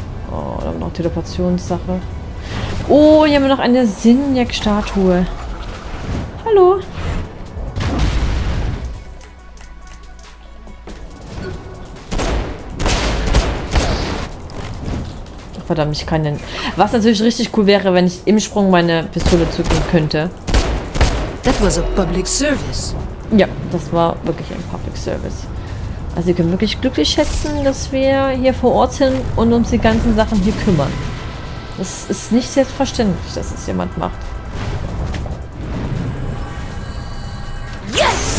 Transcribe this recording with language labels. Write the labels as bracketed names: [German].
[German] Oh, da haben wir noch Teleportionssache. Oh, hier haben wir noch eine Sinjak-Statue. Hallo. Ach, verdammt, ich kann den. Was natürlich richtig cool wäre, wenn ich im Sprung meine Pistole zücken könnte. [English] That was a public service. [German] Ja, das war wirklich ein Public Service. Also wir können wirklich glücklich schätzen, dass wir hier vor Ort sind und uns die ganzen Sachen hier kümmern. Es ist nicht selbstverständlich, dass es jemand macht. [English] Yes!